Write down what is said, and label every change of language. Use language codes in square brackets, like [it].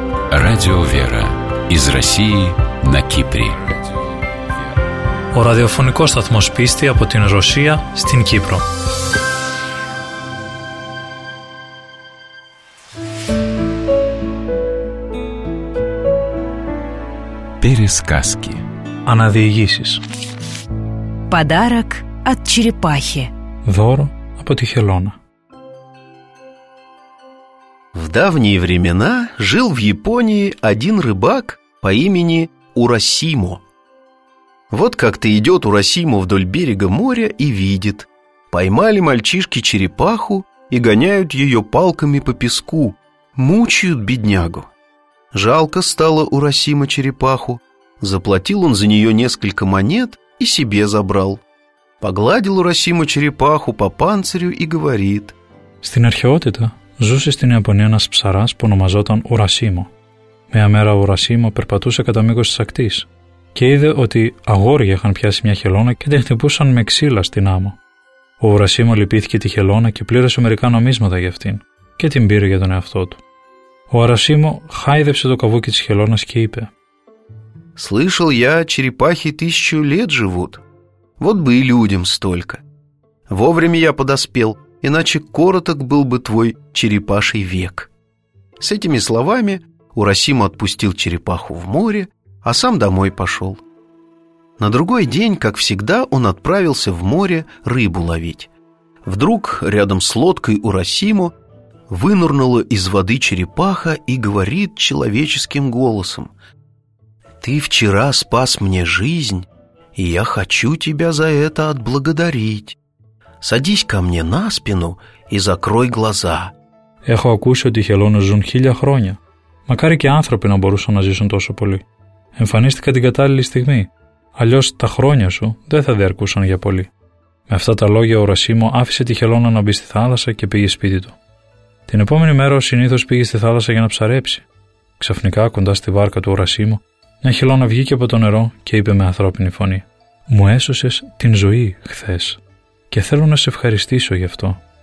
[ru] Радио Вера из России на Кипре. [el] ο ραδιοφωνικός σταθμός πίστη από την Ρωσία στην Κύπρο. [ru] Пересказки. [el] Αναδιηγήσεις. [ru] Подарок от черепахи. [el] Δώρο από τη Χελώνα. [ru] В давние времена жил в Японии один рыбак по имени Урасимо. Вот как-то идет Урасимо вдоль берега моря и видит: поймали мальчишки черепаху и гоняют ее палками по песку, мучают беднягу. Жалко стало Урасимо черепаху. Заплатил он за нее несколько монет и себе забрал. Погладил Урасимо черепаху по панцирю и говорит: [el] «Στην αρχαιότητα ζούσε στην Ιαπωνία ένας ψαράς που ονομαζόταν Ουρασίμο. Μια μέρα ο Ουρασίμο περπατούσε κατά μήκος της ακτής και είδε ότι αγόρια είχαν πιάσει μια χελώνα και την χτυπούσαν με ξύλα στην άμμο. Ο Ουρασίμο λυπήθηκε τη χελώνα και πλήρωσε μερικά νομίσματα για αυτήν και την πήρε για τον εαυτό του. Ο Ουρασίμο χάιδεψε το καβούκι της χελώνας και είπε: [ru] «Слышал я, черепахи тысячу лет живут. Вот бы и людям столько. Вовремя я подоспел, иначе короток был бы твой черепаший век». С этими словами Урасимо отпустил черепаху в море, а сам домой пошел. На другой день, как всегда, он отправился в море рыбу ловить. Вдруг рядом с лодкой Урасимо вынырнула из воды черепаха и говорит человеческим голосом: «Ты вчера спас мне жизнь, и я хочу тебя за это отблагодарить. Садись ко мне на спину и закрой глаза». [el] Έχω ακούσει ότι οι χελώνες ζουν χίλια χρόνια. Μακάρι και άνθρωποι να μπορούσαν να ζήσουν τόσο πολύ. Εμφανίστηκα την κατάλληλη στιγμή. Αλλιώς τα χρόνια σου δεν θα διαρκούσαν για πολύ. Με αυτά τα λόγια ο Ουρασίμο άφησε τη χελώνα να μπει στη θάλασσα και πήγε σπίτι του. Την επόμενη μέρα ο συνήθως πήγε στη θάλασσα για να ψαρέψει. Ξαφνικά κοντά στη βάρκα του Ουρασίμο, μια χελώνα βγήκε από το νερό και είπε με ανθρώπινη φωνή: «Μου έσωσες την ζωή χθες και θέλω να σε ευχαριστήσω γι' αυτό.